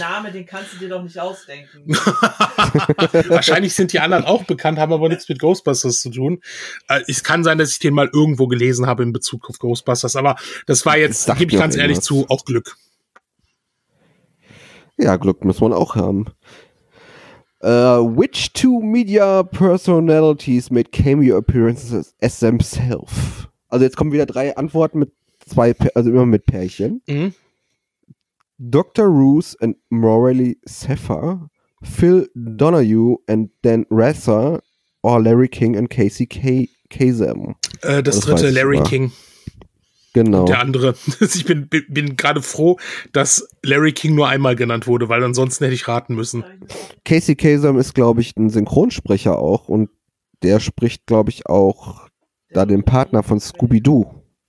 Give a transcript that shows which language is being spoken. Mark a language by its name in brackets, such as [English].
[German] Der Name, den kannst du dir doch nicht ausdenken. Wahrscheinlich sind die anderen auch bekannt, haben aber nichts mit Ghostbusters zu tun. Es kann sein, dass ich den mal irgendwo gelesen habe in Bezug auf Ghostbusters, aber das war jetzt, gebe ich ganz ehrlich zu, auch Glück. Ja, Glück muss man auch haben. [English] Which two media personalities made cameo appearances as themselves? [German] Also jetzt kommen wieder drei Antworten mit zwei, also immer mit Pärchen. Mhm. Dr. [English] Ruth and Morelli Seffer, Phil Donahue and Dan Rather or Larry King and Casey Kasem? [German] Das dritte, Larry King. Genau. Und der andere. Ich bin gerade froh, dass Larry King nur einmal genannt wurde, weil ansonsten hätte ich raten müssen. Casey Kasem ist, glaube ich, ein Synchronsprecher auch und der spricht, glaube ich, auch da den Partner von Scooby-Doo.